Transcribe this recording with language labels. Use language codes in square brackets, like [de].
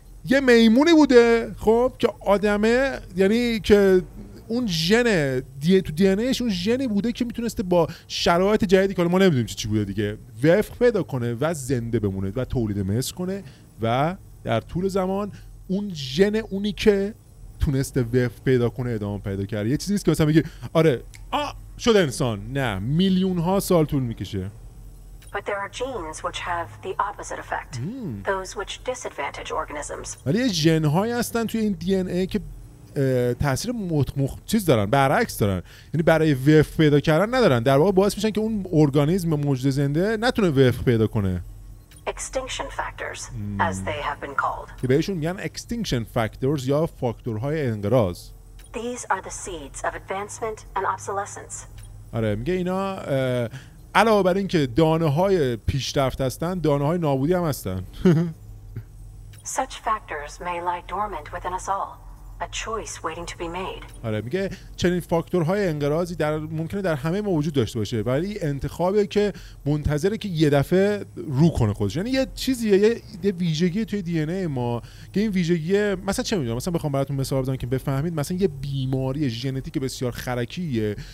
[fa] یه میمونی بوده خب که آدمه، یعنی که اون ژن تو دی ان ایش اون ژنی بوده که میتونسته با شرایط جدیدی که ما نمیدونیم چی بوده دیگه وفق پیدا کنه و زنده بمونه و تولید مثل کنه و در طول زمان اون ژن اونی که تونسته وف پیدا کنه ادامه پیدا کرده. یه چیزی نیست که مثلا بگی آره شد انسان، نه میلیون ها سال طول میکشه. [en] But there are genes which have the opposite effect. Those which disadvantage organisms. [fa] ولی ژن هایی هستن توی این دی ان ای که تاثیر مطمخ چیز دارن، برعکس دارن، یعنی برای وف پیدا کردن ندارن، در واقع باعث میشن که اون ارگانیسم موجود زنده نتونه وف پیدا کنه. [en] Extinction factors, as they have been called. [fa] که بهشون میگن extinction factors یا فاکتورهای انقراض. [en] These are the seeds of advancement and obsolescence. [fa] آره میگه اینا علاوه بر این که دانه های پیشرفت هستن، دانه های نابودی هم هستن. [en] Such factors may lie dormant within us all, a choice waiting to be made. [fa] آره میگه چنین فاکتورهای انقراضی در ممکنه در همه ما وجود داشته باشه، ولی انتخابی که منتظره که یه دفعه رو کنه خودش، یعنی یه چیزیه، یه ویژگی توی دی ان ای ما که این ویژگی مثلا چه میدونم، مثلا بخوام براتون مثال بزنم که بفهمید، مثلا یه بیماری ژنتیک بسیار خرکیه